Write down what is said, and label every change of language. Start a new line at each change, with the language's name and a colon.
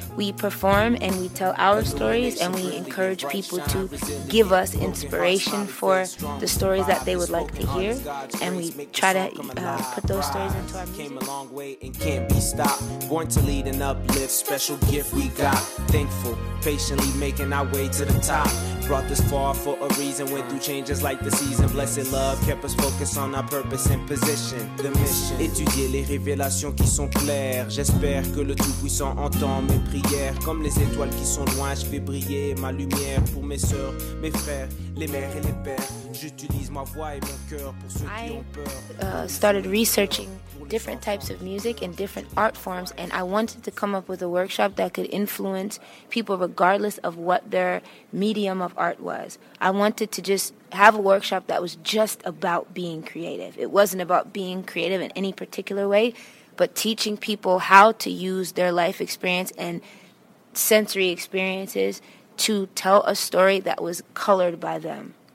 English: We perform and we tell our stories, and we encourage people to give us inspiration for the stories that they would like to hear, and we try to put those stories into our music. Came a long way and can't be stopped. Born to lead and uplift, special gift we got. Thankful, patiently making our way to the top. Brought this far for a reason, went through changes like the season. Blessed love kept us focused on our purpose and position. The mission,
French: étudier les révélations qui sont claires. J'espère que le tout puissant entend mes prières. Comme les étoiles qui sont loin, je fais briller ma lumière pour mes soeurs, mes frères, les mères et les pères. J'utilise ma voix et mon coeur pour ceux qui ont peur.
English: Started researching different types of music and different art forms, and I wanted to come up with a workshop that could influence people regardless of what their medium of art was. I wanted to just have a workshop that was just about being creative. It wasn't about being creative in any particular way, but teaching people how to use their life experience and sensory experiences to tell a story that was colored by them.